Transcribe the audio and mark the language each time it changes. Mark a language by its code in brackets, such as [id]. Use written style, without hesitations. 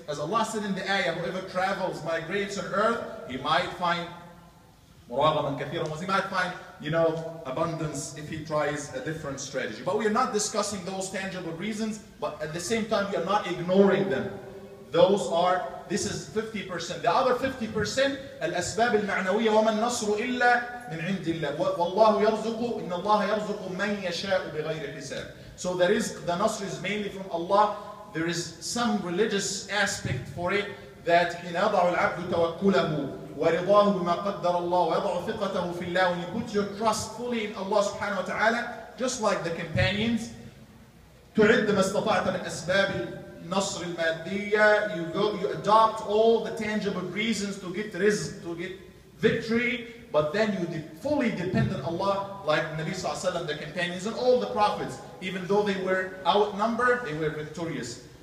[en] As Allah said in the ayah, whoever travels, migrates on earth, he might find [ar] مُرَاغَمًا كَثِيرًا, [en] he might find, you know, abundance if he tries a different strategy. But we are not discussing those tangible reasons, but at the same time, we are not ignoring them. Those are, this is 50%. The other 50%, [ar] الأسباب المعنوية وما النصر إلا من عند الله. والله يرزق إن الله يرزق من يشاء بغير حساب. [en] So the rizq, the nasr is mainly from Allah. There is some religious aspect for it that [ar] حين يضع العبد توكله ورضاه بما قدر الله ويضع ثقته في الله. [en] When you put your trust fully in Allah [ar] سبحانه وتعالى, [en] just like the companions, [ar] تعد ما استطعت من أسباب نصر المادية, [en] you adopt all the tangible reasons to get rizq, to get victory, but then you fully depend on Allah, like Nabi Sallallahu Alaihi Wasallam, the companions, and all the prophets, even though they were outnumbered, they were victorious.